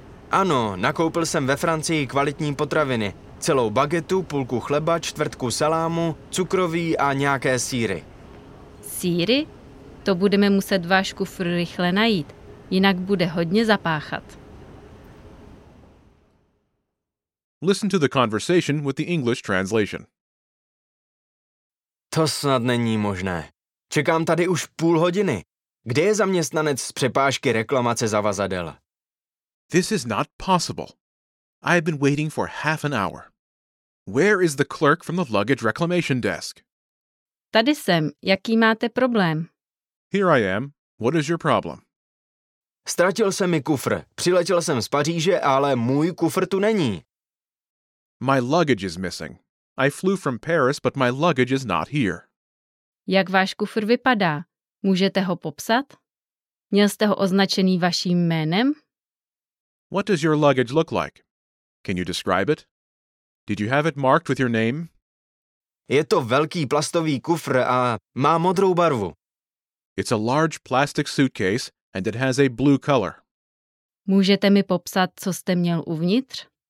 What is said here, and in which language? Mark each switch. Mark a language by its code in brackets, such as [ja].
[cs] Ano, nakoupil jsem ve Francii kvalitní potraviny. Celou bagetu, půlku chleba, čtvrtku salámu, cukroví a nějaké sýry. Sýry? To budeme muset váš kufr rychle najít, jinak bude hodně zapáchat. [en] Listen to the conversation with the English translation. [cs] To snad není možné. Čekám tady už půl hodiny. Kde je zaměstnanec z přepážky reklamace zavazadel? [en] This is not possible. I have been waiting for half an hour. Where is the clerk from the luggage reclamation desk? [cs] Tady jsem. Jaký máte problém? [en] Here I am. What is your problem? [cs] Ztratil se mi kufr. Přiletěl jsem z Paříže, ale můj kufr tu není. [en] My luggage is missing. I flew from Paris, but my luggage is not here. [cs] Jak váš kufr vypadá? Můžete ho popsat? Měl jste ho označený vaším jménem? [en] What does your luggage look like? Can you describe it? Did you have it marked with your name? [cs] Je to velký plastový kufr a má modrou barvu. [en] It's a large plastic suitcase and it has a blue color. [cs] Můžete mi popsat, co jste měl uvnitř?